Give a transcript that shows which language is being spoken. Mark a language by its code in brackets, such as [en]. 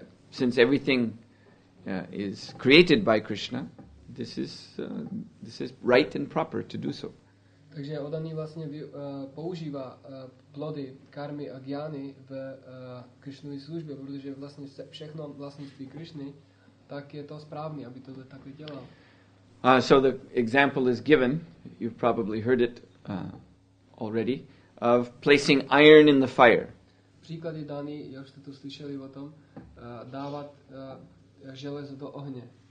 [en] Since everything is created by Krishna, this is right and proper to do so. [cs] Takže oddaný vlastně používá plody karmy a jnany v Krishnovy službě, protože vlastně všechno vlastnictví Krishny, tak je to správný, aby to takhle dělal. [en] So the example is given, you've probably heard it already, of placing iron in the fire. [cs] Příklad je daný, jak jste to slyšeli o tom, dávat železo do ohně.